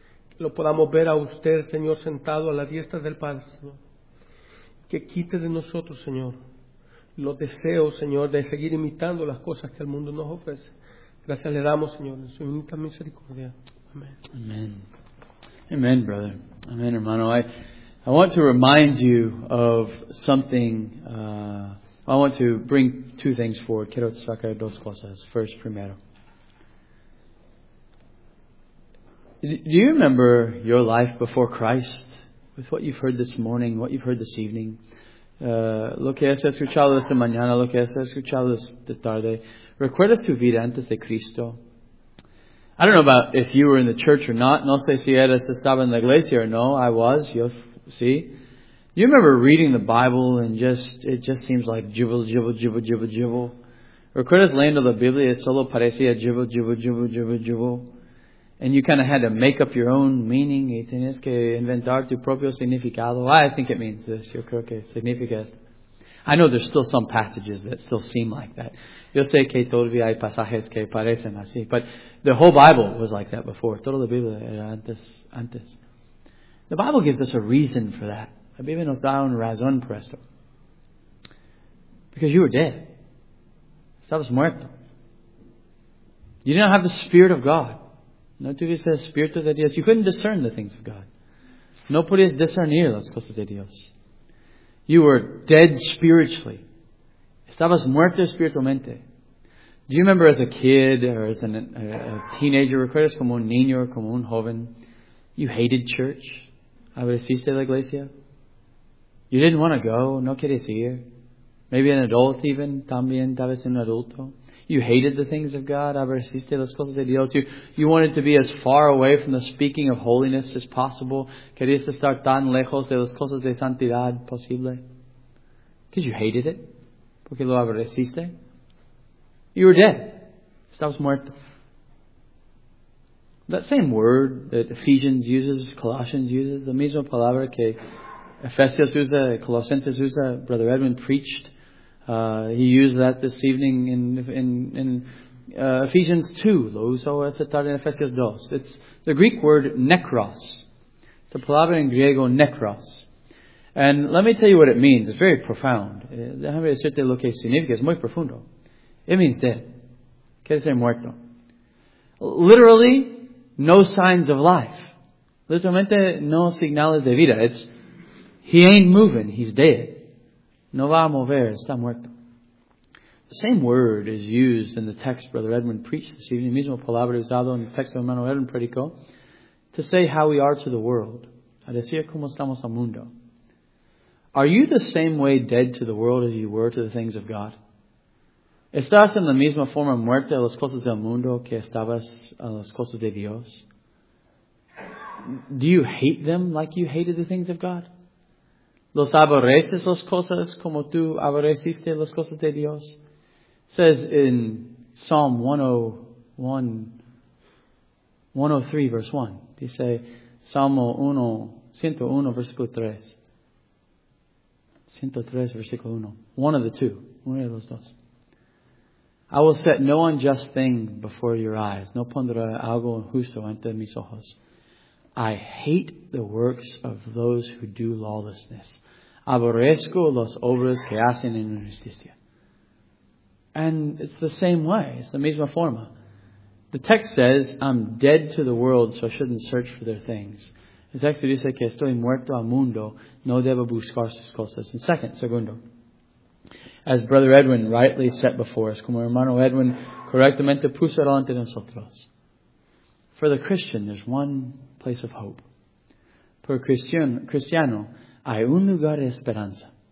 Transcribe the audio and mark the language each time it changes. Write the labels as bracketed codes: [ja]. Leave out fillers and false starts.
[es] Que lo podamos ver a usted, Señor, sentado a la diestra del Padre, Señor. Que quite de nosotros, Señor, los deseos, Señor, de seguir imitando las cosas que el mundo nos ofrece. Gracias le damos, Señor, en su infinita misericordia. Amén. [en] Amén. Amen, brother. [es] Amen, hermano. [en] I want to remind you of something. I want to bring two things forward. [es] Quiero sacar dos cosas. [en] First, [es] primero. [en] Do you remember your life before Christ? With what you've heard this morning, what you've heard this evening? [es] Lo que has escuchado esta mañana, lo que has escuchado esta tarde. ¿Recuerdas tu vida antes de Cristo? [en] I don't know about if you were in the church or not. [es] No sé si eres estaba en la iglesia or no. [en] I was. You remember reading the Bible and it just seems like jibble, jibble, jibble, jibble, jibble. [es] ¿Recuerdas leyendo la Biblia? Solo parecía jibble, jibble, jibble, jibble, jibble. [en] And you kind of had to make up your own meaning. [es] Y tenías que inventar tu propio significado. [en] I think it means this. [es] Yo creo que significa esto. [en] I know there's still some passages that still seem like that. [es] Yo sé que todavía hay pasajes que parecen así. [en] But the whole Bible was like that before. [es] Toda la Biblia era antes. [en] The Bible gives us a reason for that. [es] La Biblia nos da un razón por esto. [en] Because you were dead. [es] Estabas muerto. [en] You didn't have the Spirit of God. [es] No tuviste el Espíritu de Dios. [en] You couldn't discern the things of God. [es] No podías discernir las cosas de Dios. [en] You were dead spiritually. [es] Estabas muerto espiritualmente. [en] Do you remember as a kid or as a teenager, [es] recuerdas como un niño or como un joven, [en] you hated church? [es] ¿Aborreciste la iglesia? [en] You didn't want to go. [es] No querías ir. [en] Maybe an adult even. [es] También, tal vez un adulto. [en] You hated the things of God. [es] ¿Aborreciste las cosas de Dios? [en] You wanted to be as far away from the speaking of holiness as possible. [es] ¿Querías estar tan lejos de las cosas de santidad posible? [en] Because you hated it. [es] ¿Porque lo aborreciste? [en] You were dead. [es] Estabas muerto. [en] That same word that Ephesians uses, Colossians uses, the [es] misma palabra que Ephesians usa, Colossians usa, [en] Brother Edwin preached. He used that this evening in Ephesians 2. [es] Lo usó esta tarde en Ephesians 2. [en] It's the Greek word nekros. It's a [es] palabra en griego [en] nekros. And let me tell you what it means. It's very profound. [es] Déjame decirte lo que significa. Es muy profundo. [en] It means dead. [es] Quiere decir muerto. [en] Literally, no signs of life. [es] Literalmente, no señales de vida. [en] It's, he ain't moving. He's dead. [es] No va a mover. Está muerto. [en] The same word is used in the text Brother Edmund preached this evening. [es] Mismo palabra usado en el texto de hermano Edmund predicó. [en] To say how we are to the world. [es] A decir cómo estamos al mundo. [en] Are you the same way dead to the world as you were to the things of God? [es] ¿Estás en la misma forma muerta a las cosas del mundo que estabas a las cosas de Dios? [en] Do you hate them like you hated the things of God? [es] ¿Los aborreces las cosas como tú aborreciste las cosas de Dios? [en] It says in Psalm 103, verse 1. [es] Dice, Salmo 101, versículo 3. 103, versículo 1. [en] One of the two. [es] Uno de los dos. [en] I will set no unjust thing before your eyes. [es] No pondré algo injusto ante mis ojos. [en] I hate the works of those who do lawlessness. [es] Aborrezco las obras que hacen en injusticia. [en] And it's the same way. It's the [es] misma forma. [en] The text says, I'm dead to the world, so I shouldn't search for their things. [es] El texto dice que estoy muerto al mundo. No debo buscar sus cosas. [en] And [es] segundo. [en] As Brother Edwin rightly set before us, [es] como hermano Edwin correctamente puso delante de nosotros. [en] For the Christian, there's one place of hope. [es] Por cristiano, hay un lugar de esperanza.